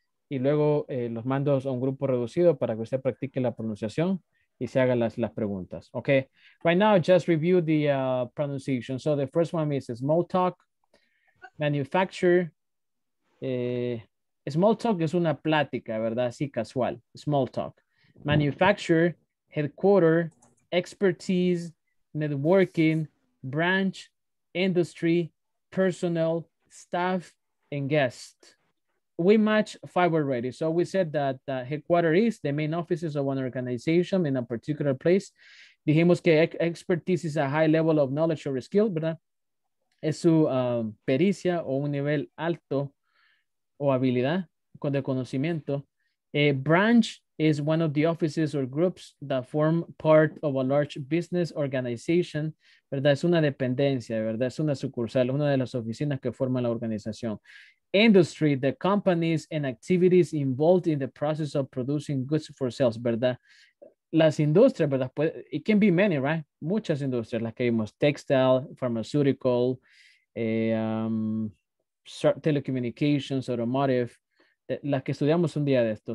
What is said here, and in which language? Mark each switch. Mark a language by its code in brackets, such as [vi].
[es] Y luego los mando a un grupo reducido para que usted practique la pronunciación y se haga las preguntas. [en] Okay. Right now, just review the pronunciation. So the first one is small talk, manufacture. [es] Small talk es una plática, ¿verdad? Así casual. Small talk. [en] Manufacture, headquarter, expertise, networking, branch, industry, personnel, staff, and guest. We match 5 already. So we said that headquarters is the main offices of an organization in a particular place. [es] Dijimos que [en] expertise is a high level of knowledge or skill, ¿verdad? [es] Es su pericia o un nivel alto o habilidad de conocimiento. [en] Branch is one of the offices or groups that form part of a large business organization, ¿verdad? [es] Es una dependencia, ¿verdad? Es una sucursal, una de las oficinas que forma la organización. [en] Industry, the companies and activities involved in the process of producing goods for sales, ¿verdad? [es] Las industrias, ¿verdad? Pues, [en] it can be many, right? [es] Muchas industrias, las que vimos, textile, pharmaceutical, telecommunications, automotive, las que estudiamos un día de esto.